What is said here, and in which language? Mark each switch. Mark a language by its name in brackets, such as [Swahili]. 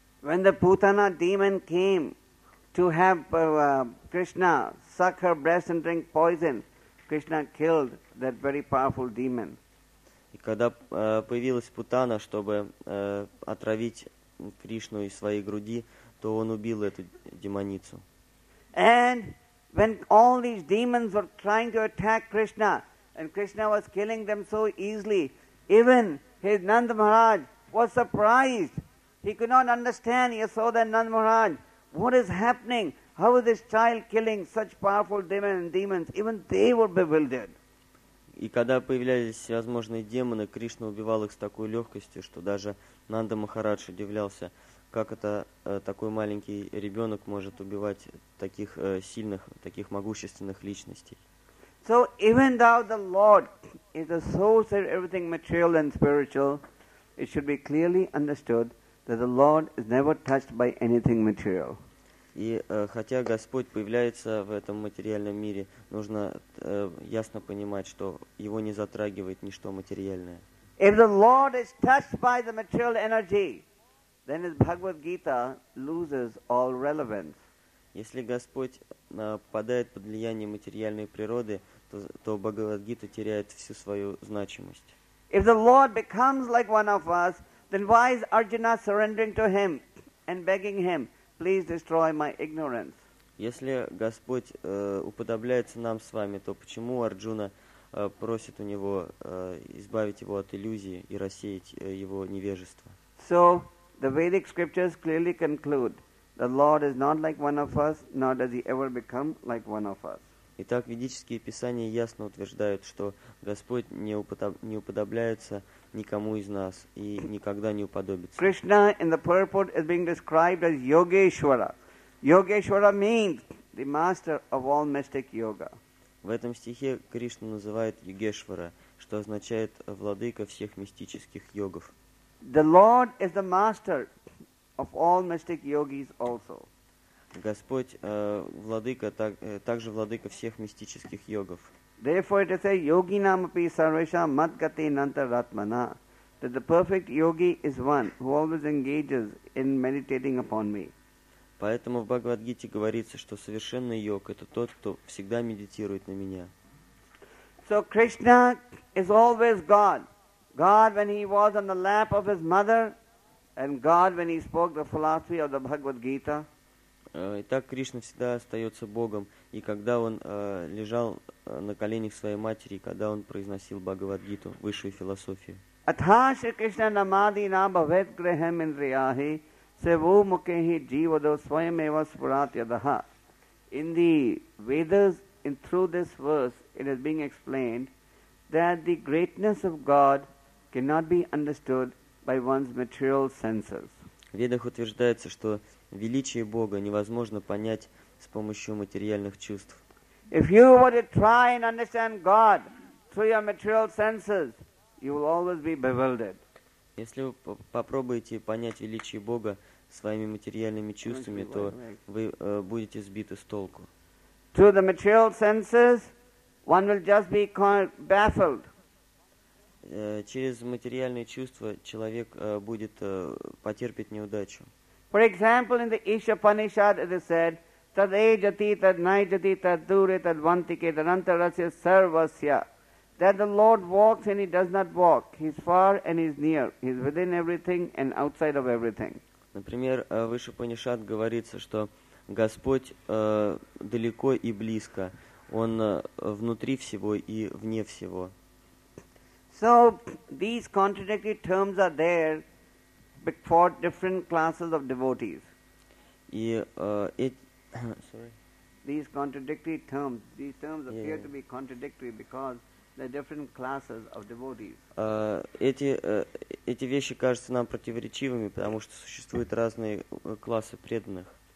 [English] When the Putana demon came to have Krishna suck her breast and drink poison, Krishna killed that very powerful demon. [Russian] И когда появилась Путана, чтобы отравить Кришну из своей груди, то он убил эту демоницу. [English] And when all these demons were trying to attack Krishna, and Krishna was killing them so easily, even his Nanda Maharaj was surprised. He could not understand. He saw that Nanda Maharaj, what is happening? How is this child killing such powerful demons and demons? Even they were bewildered. [Russian] И когда появлялись всевозможные демоны, Кришна убивал их с такой легкостью, что даже Нанда Махарадж удивлялся, как это такой маленький ребенок может убивать таких сильных, таких могущественных личностей. [English] So even though the Lord is the source of everything material and spiritual, it should be clearly understood that the Lord is never touched by anything material. [Russian] И хотя Господь появляется в этом материальном мире, нужно ясно понимать, что его не затрагивает ничто материальное. [English] If the Lord is touched by the material energy, then his Bhagavad Gita loses all relevance. [Russian] Если Господь попадает под влияние материальной природы, то Бхагавад-гита теряет всю свою значимость. [English] If the Lord becomes like one of us, then why is Arjuna surrendering to him and begging him, please destroy my ignorance? [Russian] Если Господь уподобляется нам с вами, то почему Арджуна просит у него избавить его от иллюзии и рассеять его невежество? [English] So the Vedic scriptures clearly conclude, the Lord is not like one of us, nor does he ever become like one of us. [Russian] Итак, ведические писания ясно утверждают, что Господь не уподобляется никому из нас и никогда не уподобится. [English] Krishna in the purport is being described as Yogeshwara. Yogeshwara means the master of all mystic yoga. [Russian] В этом стихе Кришна называет Йогешвара, что означает владыка всех мистических йогов. [English] The Lord is the master of all mystic yogis also. [Russian] Господь владыка также владыка всех мистических йогов. [English] Therefore it is said, [Sanskrit] yoginam api sarvesha mat gati nantaratmana, [English] that the perfect yogi is one who always engages in meditating upon me. [Russian] Поэтому в Бхагавад-гите говорится, что совершенный йог это тот, кто всегда медитирует на меня. [English] So Krishna is always God. God when he was on the lap of his mother, and God when he spoke the philosophy of the Bhagavad Gita. [Russian] Итак, Кришна всегда остается Богом, и когда он лежал на коленях своей матери, и когда он произносил Бхагавад-гиту, высшую философию. [Sanskrit] Атха Шри Кришна намади набавет грехам индрияхи, севу мукехи дживадо свайамева спурат ядаха. [English] In the Vedas, in through this verse, it is being explained that the greatness of God cannot be understood by one's material senses. [Russian] В Ведах утверждается, что величие Бога невозможно понять с помощью материальных чувств. [English] If you were to try and understand God through your material senses, you will always be bewildered. [Russian] Если вы попробуете понять величие Бога своими материальными чувствами, то вы будете сбиты с толку. [English] Through the material senses, one will just be baffled. [Russian] Через материальные чувства человек будет потерпеть неудачу. [English] For example, in the Isha Upanishad, it is said, [Sanskrit] tad ejati tad naijati tad dure tad vantike tad antarasya sarvasya, [English] that the Lord walks and he does not walk. He is far and he is near. He is within everything and outside of everything. [Russian] Например, в Иша Панишад говорится, что Господь далеко и близко. Он внутри всего и вне всего. [English] So these contradictory terms are there for different classes of devotees. These contradictory terms, appear to be contradictory because they're different classes of devotees. [Russian] Эти вещи кажутся нам противоречивыми, потому что существуют разные классы преданных.